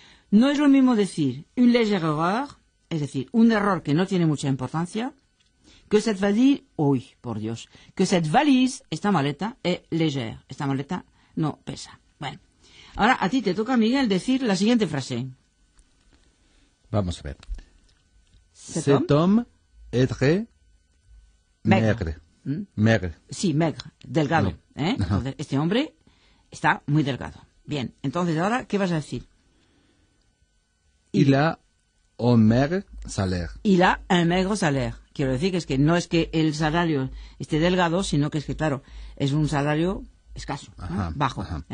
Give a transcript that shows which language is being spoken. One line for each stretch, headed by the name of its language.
Spanish: No es lo mismo decir
French: une légère erreur,
Spanish: es decir, un error que no tiene mucha importancia,
French: que cette valise,
Spanish: uy, por Dios, que
French: cette valise,
Spanish: esta maleta, es légère, esta maleta no pesa. Bueno, ahora a ti te toca, Miguel, decir la siguiente frase. Vamos a ver.
French: Cet homme est très maigre. Maigre.
Spanish: Sí, maigre, delgado. Sí. Entonces, este hombre está muy delgado. Bien, entonces ahora, ¿qué vas a decir?
French: Il a un maigre salaire. Il a un maigre salaire.
Spanish: Quiero decir que es que no es que el salario esté delgado, sino que es que, claro, es un salario escaso, ¿no? Bajo.